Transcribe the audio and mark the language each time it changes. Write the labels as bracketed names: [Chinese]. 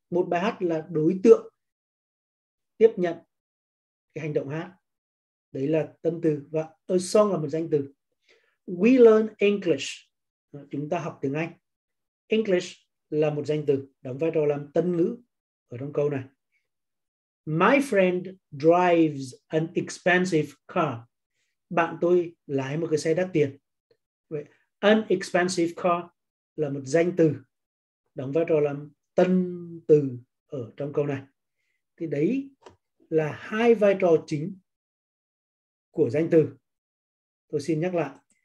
[Vietnamese] Một bài hát là đối tượng tiếp nhận cái hành động hát. Đấy là tân từ. Và [English] a song [Vietnamese] là một danh từ. [English] We learn English. [Vietnamese] Chúng ta học tiếng Anh. English là một danh từ, đóng vai trò làm tân ngữ ở trong câu này. [English] My friend drives an expensive car. [Vietnamese] Bạn tôi lái một cái xe đắt tiền. Vậy, [English] an expensive car [Vietnamese] là một danh từ, đóng vai trò làm tân từ ở trong câu này. Thì đấy là hai vai trò chính của danh từ. Tôi xin nhắc lại.